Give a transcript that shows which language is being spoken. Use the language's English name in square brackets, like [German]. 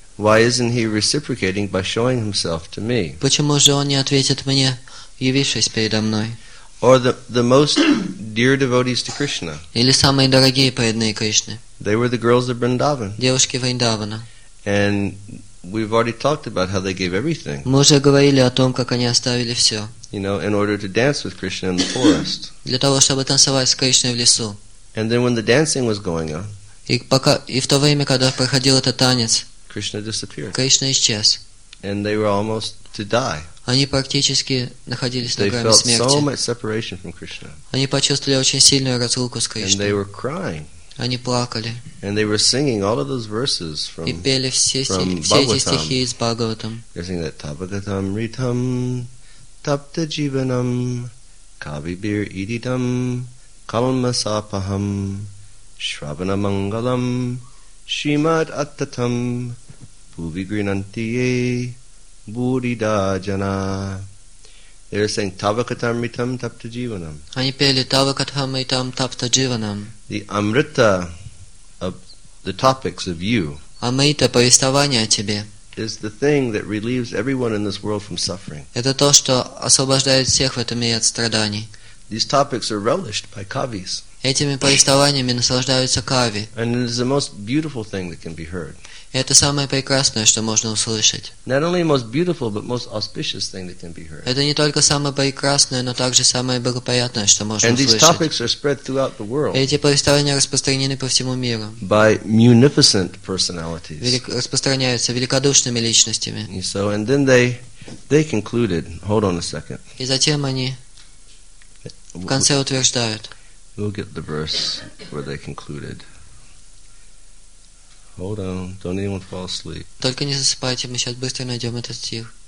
[English] Why isn't he reciprocating by showing himself to me? [Russian] Почему же он не ответит мне, явившись передо мной? [English] Or the most dear devotees to Krishna. [Russian] Или самые дорогие преданные Кришны. [English] They were the girls of Vrindavan. [Russian] Девушки Вриндавана. [English] And we've already talked about how they gave everything. [Russian] Мы уже говорили о том, как они оставили все. [English] You know, in order to dance with Krishna in the forest. [Russian] Для того, чтобы танцевать с Кришной в лесу. [English] And then when the dancing was going on. [Russian] И в то время, когда проходил этот танец. [English] Krishna disappeared. [Russian] Кришна исчез. [English] And they were almost to die. [Russian] Они практически находились на грани смерти. [English] They felt so much separation from Krishna. [Russian] Они почувствовали очень сильную разлуку с Кришной. [English] And they were crying. [Russian] Они плакали. [English] And they were singing all of those verses from [Russian] И пели все эти стихи из Бхагаватам. [English] They're singing that [Sanskrit] Tapagatam Ritam Tapta Jivanam Kavibir Iditam Kalmasapaham Shravana Mangalam Shrimad Attatam Puvigrinantiye Будида джана. [English] They are saying Tavakatamritam Tapta Jivanam. [Russian] Они пели [Sanskrit] Tavakatamritam Tapta Jivanam. [English] The Amrita of the topics of you. [Russian] Амрита, повествование о тебе. [English] Is the thing that relieves everyone in this world from suffering. [Russian] Это то, что освобождает всех в этом мире от страданий. [English] These topics are relished by kavis. [Russian] Этими повествованиями наслаждаются кави. [English] And it is the most beautiful thing that can be heard. [Russian] Это самое прекрасное, что можно услышать. [English] Not only the most beautiful, but most auspicious thing that can be heard. [Russian] Это не только самое прекрасное, но также самое благоприятное, что можно услышать. [English] And these topics are spread throughout the world. [Russian] Эти повествования распространены по всему миру. [English] By munificent personalities. [Russian] Распространяются великодушными личностями. [English] So, and then they concluded. Hold on a second. [Russian] И затем они в конце утверждают. [English] We'll get the verse where they concluded. Hold on, don't anyone fall asleep. [Russian] Только не засыпайте, мы сейчас быстро найдем этот стих.